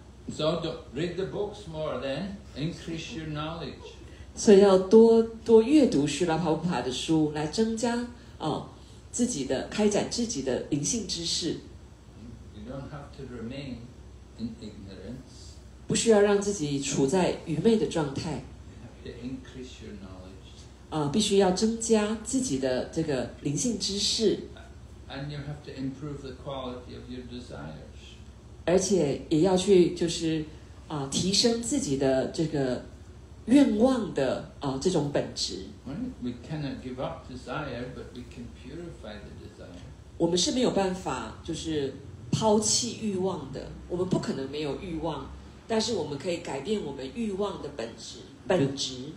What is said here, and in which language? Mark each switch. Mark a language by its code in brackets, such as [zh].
[en] So read the books more then increase your knowledge [zh] 所以要多多阅读须拉帕布帕的书来增加、自己的开展自己的灵性知识 [en] You don't have to remain in ignorance [zh] 不需要让自己处在愚昧的状态 [en] You have to increase your knowledge、 [zh] 必须要增加自己的这个灵性知识 [en] And you have to improve the quality of your desire [zh] 而且也要去就是、提升自己的这个愿望的、这种本质 [en] We cannot give up desire, but we can purify the desire. [zh] 我们是没有办法就是抛弃欲望的我们不可能没有欲望但是我们可以改变我们欲望的本质本质